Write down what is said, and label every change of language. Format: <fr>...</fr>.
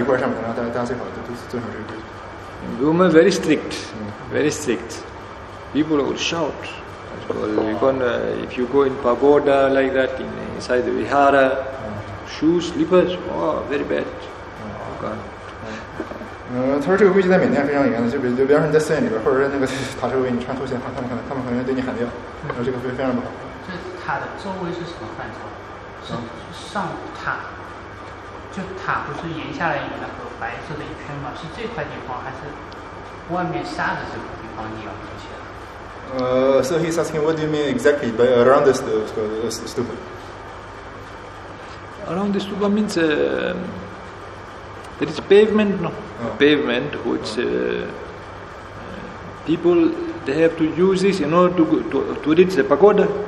<en>In Burma, very strict, very strict. People will shout. If you go in pagoda like that, inside the vihara, shoes, slippers, oh, very bad. Okay.</en> <zh>他说这个规矩在缅甸非常严的，就比方说你在寺院里边，或者在那个塔周围，你穿拖鞋，他们可能会对你喊掉，然后这个会非常不好。就塔的周围是什么范畴？是上塔，就塔不是沿下来有那个白色的一圈吗？是这块地方，还是外面沙子这个地方你要出去？</zh> <en>So he's asking, what do you mean exactly by around this stupa? Around this stupa means there is pavement, no? Pavement, which people they have to use this in order to reach the pagoda.</en>